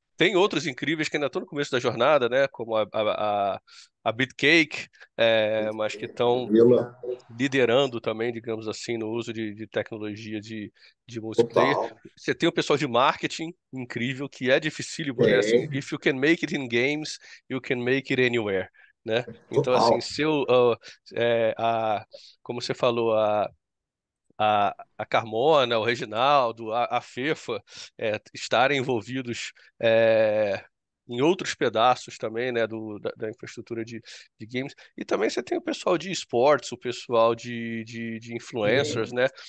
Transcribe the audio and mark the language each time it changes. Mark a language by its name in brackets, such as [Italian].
[Portuguese] Tem outros incríveis que ainda estão no começo da jornada, né? Como a Bitcake, mas que estão Vila. liderando também, digamos assim, no uso de tecnologia de multiplayer. Total. Você tem o pessoal de marketing incrível, que é dificílimo, né? Assim, Tem. [English] if you can make it in games, you can make it anywhere, né? [Portuguese] Então, assim, Total. seu, como você falou, a Carmona, o Reginaldo, a Fefa, estarem envolvidos, em outros pedaços também, né, da infraestrutura de games. E também você tem o pessoal de esportes, o pessoal de influencers, né?